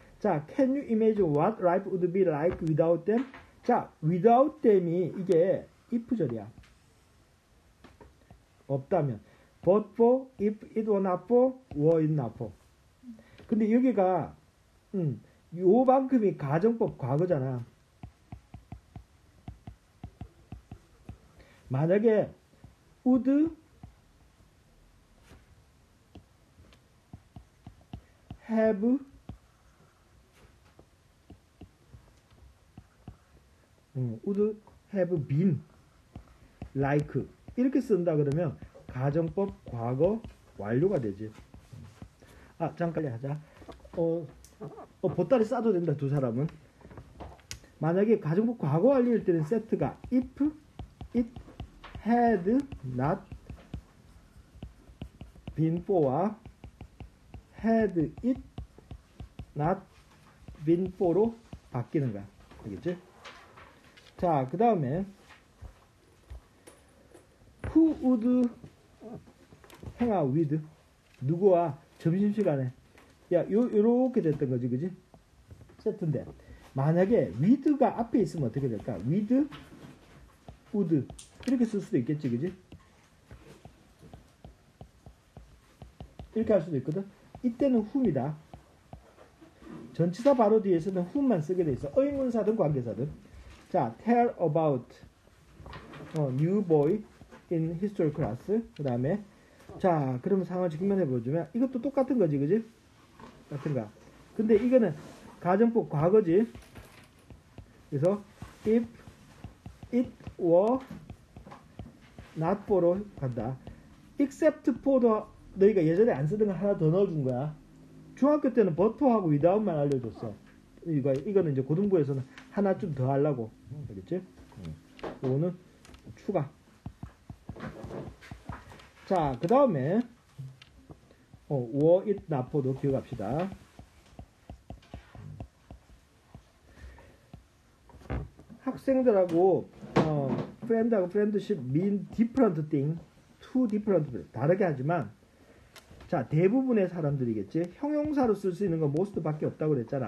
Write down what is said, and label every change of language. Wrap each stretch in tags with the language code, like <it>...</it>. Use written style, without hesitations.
<en>자, Can you imagine what life would be like without them?</en> <ko>자, without them이 이게 if절이야. 없다면.</ko> <en>But for, if it were not for, were it not for.</en> <ko>근데 여기가, 요만큼이 가정법 과거잖아. 만약에</ko> <en>would have would have been like</en> <ko>이렇게 쓴다 그러면 가정법 과거 완료가 되지. 아, 잠깐 하자. 보따리 싸도 된다 두 사람은. 만약에 가정법 과거 완료일 때는 세트가 if it had not been for와 had it not been for로 바뀌는 거야. 알겠지? 자, 그 다음에</ko> <en>who would hang out with</en> <ko>누구와 점심시간에. 야, 요렇게 됐던 거지, 그지? 세트인데 만약에 with가 앞에 있으면 어떻게 될까? with would 이렇게 쓸 수도 있겠지, 그지? 이렇게 할 수도 있거든? 이때는 whom이다. 전치사 바로 뒤에서는 whom만 쓰게 돼 있어. 의문사든 관계사든.</ko> <en>자, tell about new boy in history class.</en> <ko>그 다음에, 자, 그러면 상황을 직면해 보여주면, 이것도 똑같은 거지, 그지? 같은 거야. 근데 이거는 가정법 과거지.</ko> <en>그래서, if it were not for로 간다.</en> <ko>except for도 너희가 예전에 안 쓰던 거 하나 더 넣어준 거야. 중학교 때는 but for하고 without만 알려줬어. 이거는 이제 고등부에서는 하나 좀 더 하려고. 알겠지? 이거는 추가. 자, 그 다음에, were it not for도 기억합시다.</ko> <en>학생들하고, friend하고 friendship mean different thing, two different things.</en> <ko>다르게 하지만, 자, 대부분의 사람들이겠지. 형용사로 쓸 수 있는 건 most 밖에 없다고 그랬잖아.</ko>